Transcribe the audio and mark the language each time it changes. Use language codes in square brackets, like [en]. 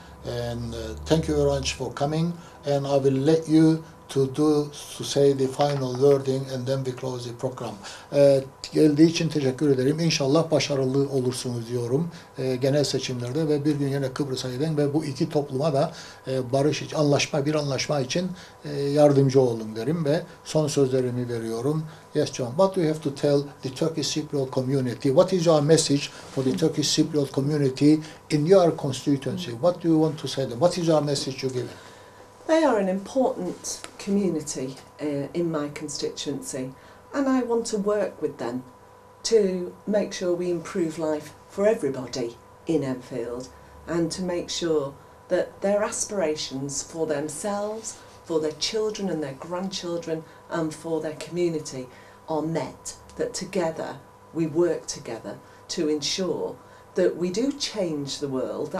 [en] And thank you very much for coming, and I will let you to say the final wording and then we close the program. [tr] Geldiği için teşekkür ederim. İnşallah başarılı olursunuz diyorum. Genel seçimlerde ve bir gün yine Kıbrıs'a giden ve bu iki topluma da barış için, anlaşma için yardımcı olun derim ve son sözlerimi veriyorum. [en] Yes John, what do you have to tell the Turkish Cypriot community? What is your message for the Turkish Cypriot community in your constituency? What do you want to say to them? What is your message you give? They are an important community in my constituency, and I want to work with them to make sure we improve life for everybody in Enfield, and to make sure that their aspirations for themselves, for their children and their grandchildren, and for their community are met, that together we work together to ensure that we do change the world.